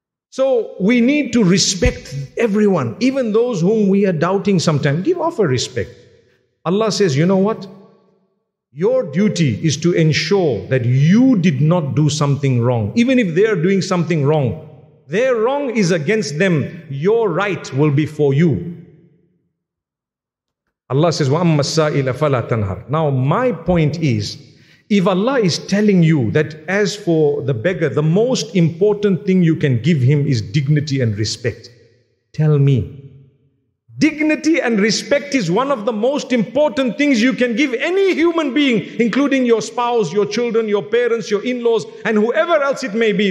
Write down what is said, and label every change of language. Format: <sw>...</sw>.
<en>So we need to respect everyone, even those whom we are doubting sometimes. Give off a respect. Allah says, you know what? Your duty is to ensure that you did not do something wrong. Even if they are doing something wrong, their wrong is against them. Your right will be for you. Allah says,</en> <ar>وَأَمَّا السَّائِلَ فَلَا تَنْهَرْ.</ar> <en>Now my point is, if Allah is telling you that as for the beggar, the most important thing you can give him is dignity and respect. Tell me. Dignity and respect is one of the most important things you can give any human being, including your spouse, your children, your parents, your in-laws, and whoever else it may be.</en>